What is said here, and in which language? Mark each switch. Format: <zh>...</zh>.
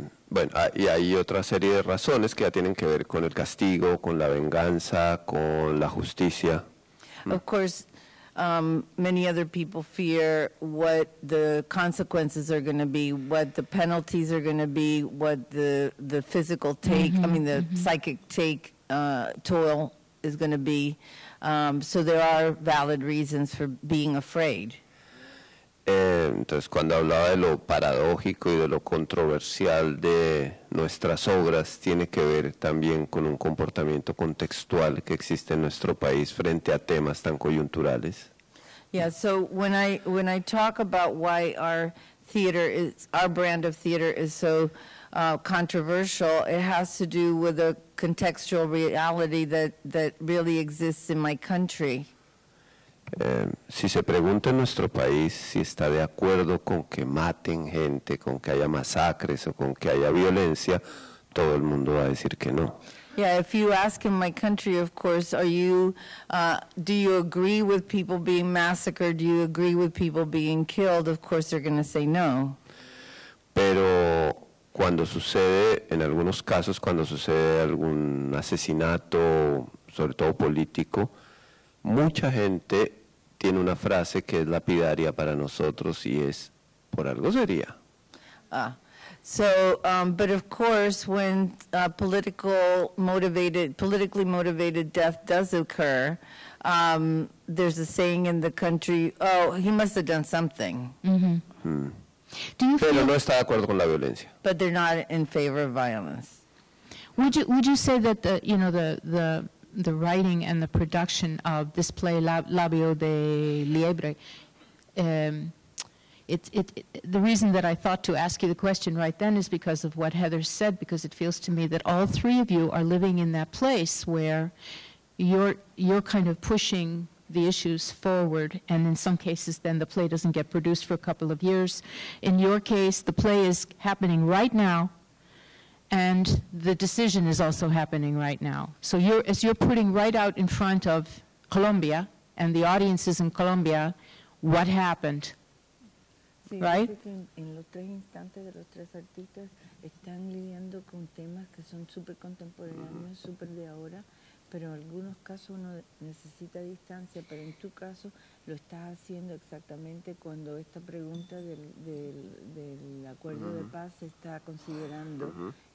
<es>Bueno, y hay otra serie de razones que ya tienen que ver con el castigo, con la venganza, con la justicia.</es> <en>Of course, many other people fear what the consequences are going to be, what the penalties are going to be, what the physical take, mm-hmm, I mean, the mm-hmm. psychic take, toil is going to be. So there are valid reasons for being afraid.</en> <es>Entonces, cuando hablaba de lo paradójico y de lo controversial de nuestras obras, tiene que ver también con un comportamiento contextual que existe en nuestro país frente a temas tan coyunturales.</es> <en>Yeah, so when I talk about why our brand of theater is so controversial, it has to do with a contextual reality that really exists in my country.</en> <es>Si se pregunta en nuestro país si está de acuerdo con que maten gente, con que haya masacres o con que haya violencia, todo el mundo va a decir que no.</es> <en>Yeah, if you ask in my country, of course, do you agree with people being massacred? Do you agree with people being killed? Of course, they're going to say no.</en> <es>Pero cuando sucede, en algunos casos, cuando sucede algún asesinato, sobre todo político, mucha gente tiene una frase que es lapidaria para nosotros y es, por algo sería.</es> <en>But of course, when politically motivated death does occur, there's a saying in the country, oh, he must have done something. Mm-hmm.</en> <es>Pero no está de acuerdo con la violencia.</es> <en>But they're not in favor of violence. Would you say that the writing and the production of this play, Labio de Liebre, the reason that I thought to ask you the question right then is because of what Heather said, because it feels to me that all three of you are living in that place where you're kind of pushing the issues forward, and in some cases then the play doesn't get produced for a couple of years. In your case, the play is happening right now, and the decision is also happening right now. So you're putting right out in front of Colombia and the audiences in Colombia what happened.</en> <es>Sí,</es> <en>right?</en> <es>En los tres instantes de los tres artistas están lidiando con temas que son super contemporáneos, super de ahora, pero en algunos casos uno necesita distancia, pero en tu caso lo estás haciendo exactamente cuando esta pregunta del acuerdo uh-huh. de paz se está considerando uh-huh.</es>